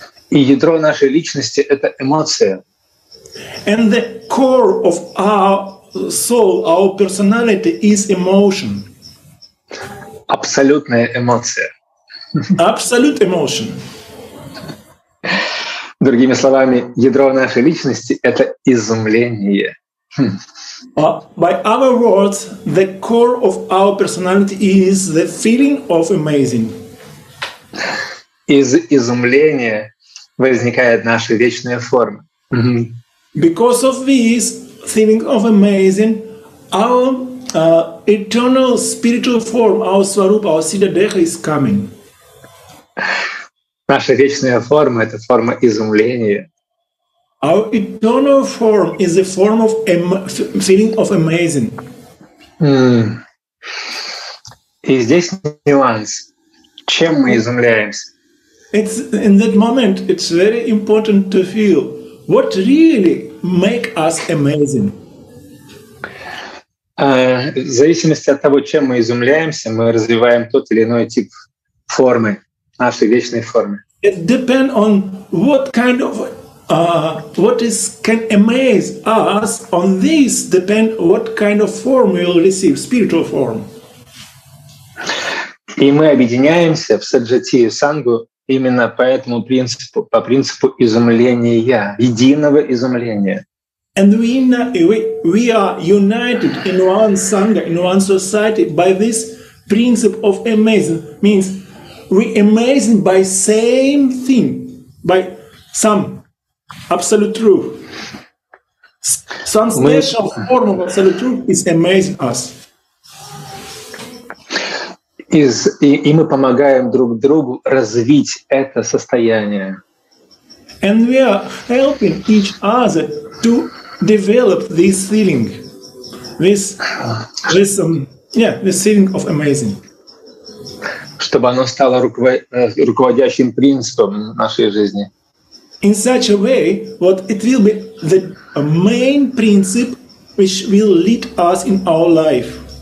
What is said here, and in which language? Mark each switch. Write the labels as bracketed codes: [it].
[ru] И ядро нашей личности — это эмоция. [en] And the core of our soul, our personality is emotion. [ru] Абсолютная эмоция. [en] Absolute emotion. [ru] Другими словами, ядро нашей личности — это изумление. [en] By other words, the core of our personality is the feeling of amazing. [ru] Из изумления возникает наша вечная форма. Mm-hmm. [en] Because of this feeling of amazing, our eternal spiritual form, our Swarupa, our Siddha Deha is coming. [ru] Наша вечная форма — это форма изумления. [en] Our eternal form is the form of feeling of amazing. [ru] Mm. И здесь нюанс. Чем мы изумляемся? [en] It's in that moment it's very important to feel what really make us amazing. [ru] В зависимости от того, чем мы изумляемся, мы развиваем тот или иной тип формы, нашей вечной формы. [en] It depend on what kind of what is can amaze us on this depend what kind of form we will receive, spiritual form. [ru] И мы объединяемся в саджатию сангу именно по этому принципу, по принципу изумления, единого изумления. [en] And we are united in one sangha, in one society by this principle of amazing. Means we amazing by same thing, by some absolute truth. Some special form of absolute truth is amazing us. [ru] И мы помогаем друг другу развить это состояние. [en] And we are helping each other to develop this feeling, this feeling of amazing. [ru] Чтобы оно стало руководящим принципом нашей жизни. [en] In such a way, what it will be the main principle which will lead us in our life.